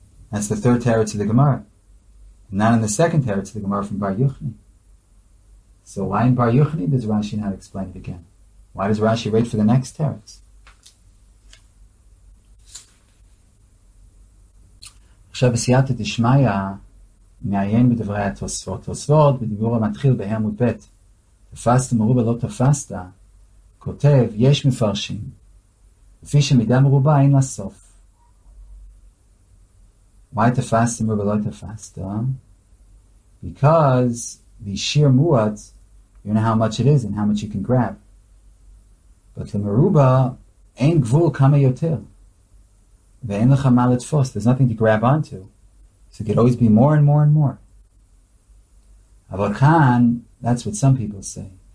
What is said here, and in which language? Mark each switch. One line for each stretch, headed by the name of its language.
English: That's the third teretz of the Gemara. Not in the second teretz of the Gemara from Bar Yochni. So why in Bar Yochni does Rashi not explain it again? Why does Rashi wait for the next teretz?
Hebrew: עכשיו בסייעת הדשמיה מעיין בדברי התוספות. תוספות בדיבור המתחיל בהעמוד ב' תפסת מרובה לא תפסת כותב יש מפרשים לפי שמידה מרובה אין לסוף. Why תפסת מרובה לא תפסת?
English: Because the sheer muat, you know how much it is and how much you can grab.
Hebrew: But למרובה אין גבול כמה יותר.
English: There's nothing to grab onto. So it could always be more and more and more.
Hebrew: Aval kan,
English: that's what some people say.